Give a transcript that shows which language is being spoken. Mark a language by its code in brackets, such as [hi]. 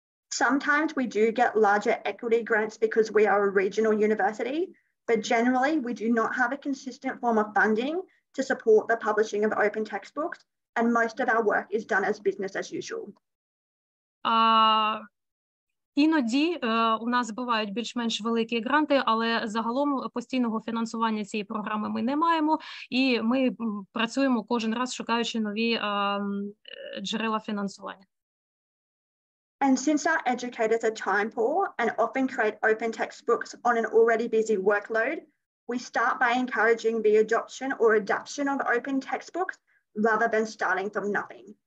[en] Sometimes we do get larger equity grants because we are a regional university, but generally we do not have a consistent form of funding to support the publishing of open textbooks, and most of our work is done as business as usual. [uk] Іноді у нас бувають більш-менш великі гранти, але загалом постійного фінансування цієї програми ми не маємо, і ми працюємо кожен раз, шукаючи нові джерела фінансування. [en] And since our educators are time poor and often create open textbooks on an already busy workload, we start by encouraging the adoption or adaption of open textbooks rather than starting from nothing.